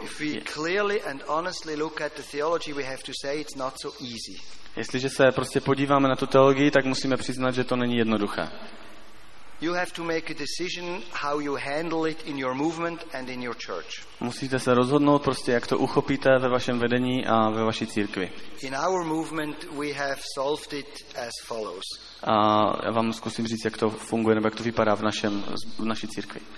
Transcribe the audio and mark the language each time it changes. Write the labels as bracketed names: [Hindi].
[English] If we clearly and honestly look at the theology, we have to say it's not so easy. [Czech] Jestliže se prostě podíváme na tu teologii, tak musíme přiznat, že to není jednoduché. [English] You have to make a decision how you handle it in your movement and in your church. [Czech] Musíte se rozhodnout prostě, jak to uchopíte ve vašem vedení a ve vaší církvi. [English] In our movement we have solved it as follows. [Czech] A já vám zkusím říct, jak to funguje nebo jak to vypadá v naší církvi.